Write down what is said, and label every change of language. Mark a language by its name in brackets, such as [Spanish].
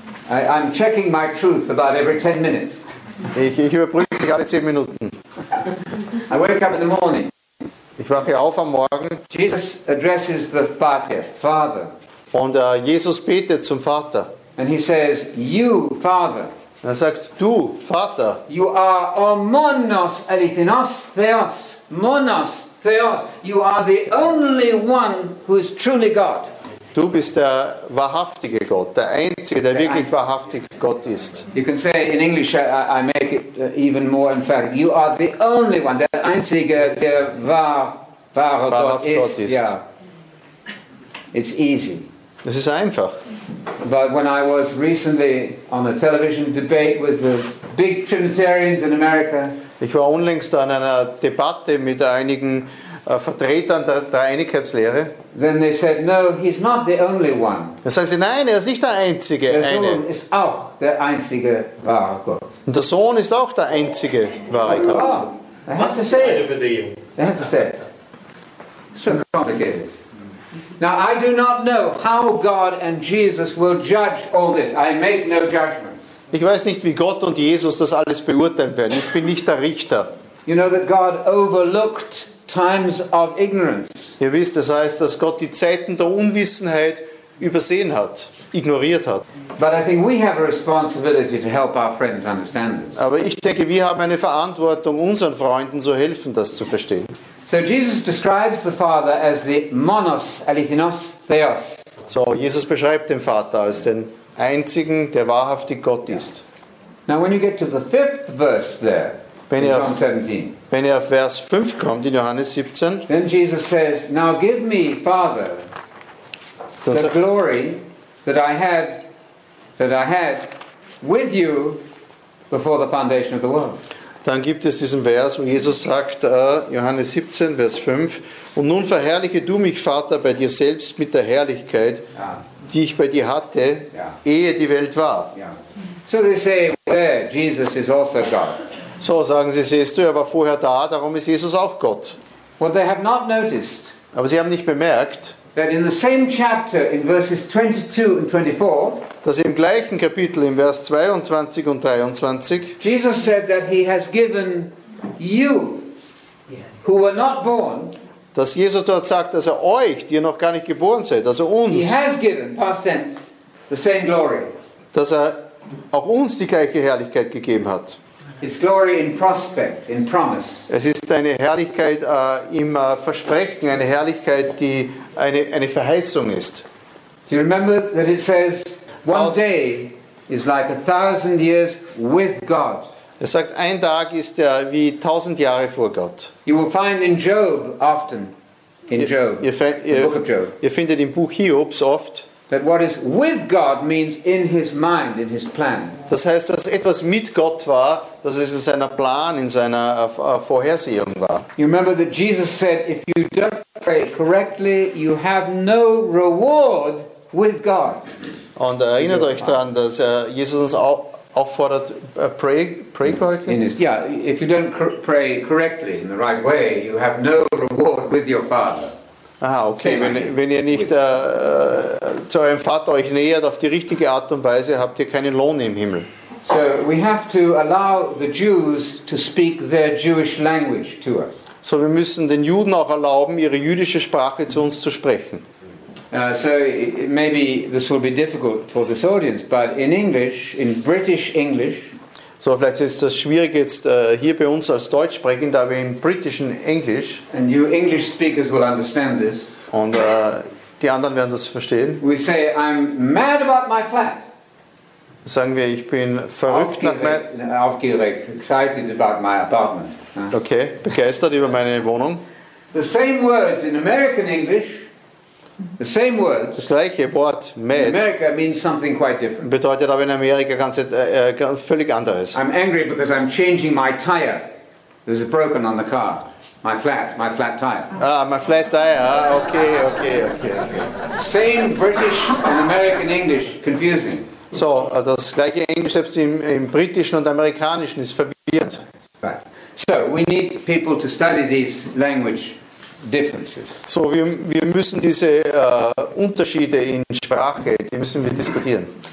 [English] I'm checking my truth about every 10 minutes. [German] Ich überprüfe mich alle 10 Minuten. [English] I wake up in the morning. [German] Ich wache auf am Morgen. [English] Jesus addresses the Father. [German] Und Jesus betet zum Vater. [English] And he says, you, Father. [German] Und er sagt, du, Vater. [English] You are [Greek] omnos elithinos theos. Monos theos. [English] You are the only one who is truly God. [German] Du bist der wahrhaftige Gott, der Einzige, der wirklich wahrhaftig Gott ist. [English] You can say in English, I make it even more emphatic. You are the only one, [German] der Einzige, der wahre Gott ist. [English] Yeah. It's easy. [German] Es ist einfach. [English] But when I was recently on a television debate with the big Trinitarians in America, [German] ich war unlängst an einer Debatte mit einigen Vertretern der Einigkeitslehre. [English] Then they said, no, he's not the only one. [German] Dann sagen sie, nein, er ist nicht der Einzige. Der Sohn ist auch der einzige wahre Gott. Und der Sohn ist auch der einzige wahre Gott. [English] They have to say it. They have to say it. So complicated. Now, I do not know how God and Jesus will judge all this. I make no judgments. [German] Ich weiß nicht, wie Gott und Jesus das alles beurteilen werden. Ich bin nicht der Richter. [English] You know that God overlooked times of ignorance. [German] Ihr wisst, das heißt, dass Gott die Zeiten der Unwissenheit übersehen hat, ignoriert hat. [English] But I think we have a responsibility to help our friends understand this. [German] Aber ich denke, wir haben eine Verantwortung, unseren Freunden zu helfen, das zu verstehen. [English] So Jesus describes the Father as the [Greek] monos elithinos theos. [German] So Jesus beschreibt den Vater als den einzigen, der wahrhaftig Gott ist. [English] Now when you get to the fifth verse there, [German] wenn ihr, auf Vers 5 kommt, in Johannes 17, [English] then Jesus says, now give me, Father, the glory that I had with you before the foundation of the world. [German] Dann gibt es diesen Vers, wo Jesus sagt, Johannes 17, Vers 5, und nun verherrliche du mich, Vater, bei dir selbst mit der Herrlichkeit, die ich bei dir hatte, ehe die Welt war. [English] So they say, there, Jesus is also God. [German] So sagen sie, siehst du, er war vorher da, darum ist Jesus auch Gott. [English] Well, they have not noticed. [German] Aber sie haben nicht bemerkt, [English] that in the same chapter in verses 22 and 24, [German] dass im gleichen Kapitel in Vers 22 und 23, [English] Jesus said that he has given you who were not born, [German] dass Jesus dort sagt, dass er euch, die ihr noch gar nicht geboren seid, also uns, [English] he has given, past tense, the same glory, [German] dass er auch uns die gleiche Herrlichkeit gegeben hat. [English] It's glory in prospect, in promise. [German] Es ist eine Herrlichkeit im Versprechen, eine Herrlichkeit, die eine Verheißung ist. [English] Do you remember that it says, one day is like a thousand years with God? [German] Er sagt, ein Tag ist ja wie tausend Jahre vor Gott. [English] You will find in Job often, in Job, the book of Job. [German] Ihr findet im Buch Hiobs oft, [English] that what is with God means in his mind, in his plan. [German] Das heißt, dass etwas mit Gott war, dass es in seiner Plan, in seiner Vorhersehung war. [English] You remember that Jesus said, if you don't pray correctly, you have no reward with God. [German] Und erinnert euch daran, dass Jesus uns auffordert, [English] pray correctly. If you don't pray correctly in the right way, you have no reward with your Father. Ah, okay. [German] Wenn ihr nicht zu eurem Vater euch nähert auf die richtige Art und Weise, habt ihr keinen Lohn im Himmel. [English] So we have to allow the Jews to speak their Jewish language to us. [German] So wir müssen den Juden auch erlauben, ihre jüdische Sprache zu uns zu sprechen. [English] So maybe this will be difficult for this audience, but in English, in British English. [German] So vielleicht ist das schwierig jetzt hier bei uns als Deutsch sprechen, da wir im britischen Englisch. [English] And you English speakers will understand this. [German] Und die anderen werden das verstehen. [English] We say, I'm mad about my flat. [German] Sagen wir, ich bin verrückt nach aufgeregt, [English] excited about my apartment. [German] Okay, begeistert über meine Wohnung. [English] The same words in American English. The same words. [German] Das gleiche Wort, mad. [English] In America means something quite different. [German] Bedeutet aber in Amerika ganz völlig anderes. [English] I'm angry because I'm changing my tire. This is broken on the car. My flat tire. Ah, my flat tire. Okay. Same British and American English, confusing. [German] So, das gleiche Englisch selbst im britischen und amerikanischen ist verwirrt. [English] Right. So, we need people to study these language. [German] So, wir müssen diese Unterschiede in Sprache, die müssen wir diskutieren.